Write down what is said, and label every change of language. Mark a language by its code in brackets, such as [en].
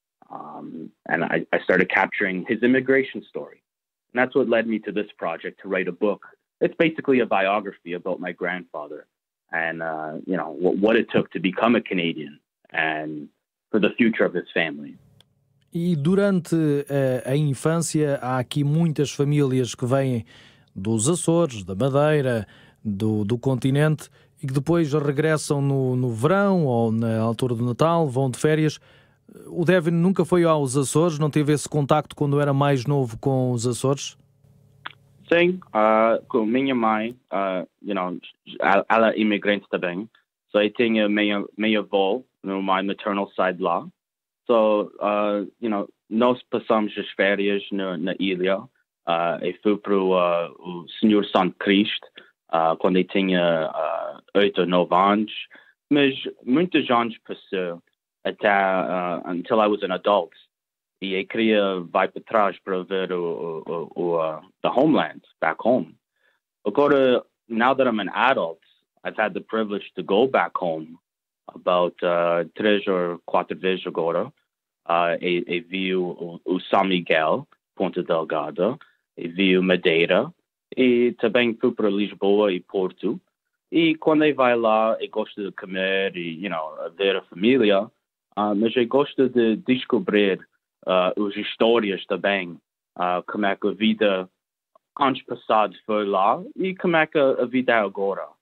[en] And I started capturing his immigration story. And that's what led me to this project to write a book. It's basically a biography about my grandfather and what it took to become a Canadian and for the future of his family. [pt] E durante a infância, há aqui muitas famílias que vêm dos Açores, da Madeira, do continente, e que depois regressam no verão ou na altura do Natal, vão de férias. O Devin nunca foi aos Açores? Não teve esse contacto quando era mais novo com os Açores? Sim, com minha mãe, ela é imigrante também. Então eu tinha meia avó no [en] my maternal side [pt] lá. Então, nós passamos as férias na ilha. Eu fui para o Senhor Santo Cristo quando eu tinha 8 ou 9 anos, mas muitos anos passou até [en] until I was an adult, [pt] e eu queria vai para trás para ver [en] the homeland back home. [pt] Agora, [en] now that I'm an adult, I've had the privilege to go back home about 3 or 4 [pt] vezes agora. Eu vi o São Miguel, Ponta Delgada. E viu Madeira, e também fui para Lisboa e Porto. E quando eu vai lá, eu gosto de comer e, ver a família. Mas eu gosto de descobrir as histórias também, como é que a vida antes passado foi lá e como é que a vida é agora.